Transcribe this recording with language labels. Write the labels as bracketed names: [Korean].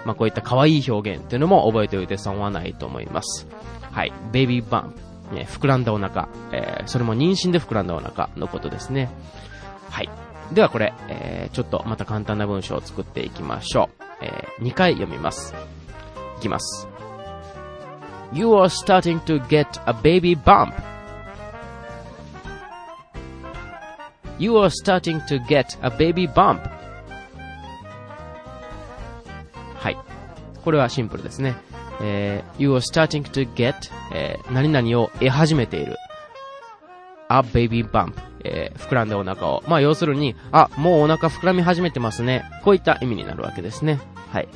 [Japanese] まあ、こういった可愛い表現っていうのも覚えておいて損はないと思います。はい。ベビーバンプ。膨らんだお腹。それも妊娠で膨らんだお腹のことですね。はい。ではこれ、ちょっとまた簡単な文章を作っていきましょう。 2回読みます。いきます。 [English] You are starting to get a baby bump. You are starting to get a baby bump. [Japanese] はい。これはシンプルですね。 [English] You are starting to get、 [Japanese] 何々を得始めている。 [English] A baby bump、 [Japanese] 膨らんでお腹を。まあ要するに、あ、もうお腹膨らみ始めてますね。こういった意味になるわけですね。はい。